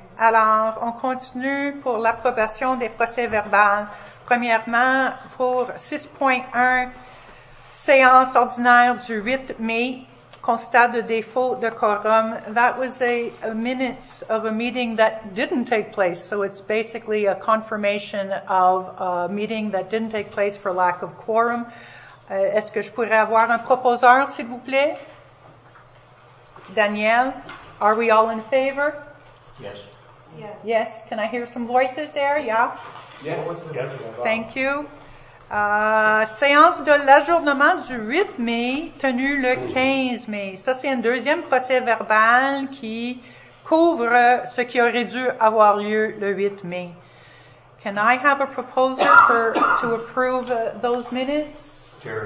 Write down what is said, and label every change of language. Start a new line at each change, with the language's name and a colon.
French: Alors, on continue pour l'approbation des procès-verbaux. Premièrement, pour 6.1, séance ordinaire du 8 mai, constat de défaut de quorum.
English: That was a minutes of a meeting that didn't take place, so it's basically a confirmation of a meeting that didn't take place for lack of quorum.
French: Est-ce que je pourrais avoir un proposeur, s'il vous plaît?
English: Daniel, are we all in favor? Yes. Yes. Yes. Can I hear some voices there? Yeah? Yes. Thank you.
French: Séance de l'ajournement du 8 mai, tenue le 15 mai. Ça, c'est un deuxième procès verbal qui couvre ce qui aurait dû avoir lieu le 8 mai.
English: Can I have a proposal to approve those minutes?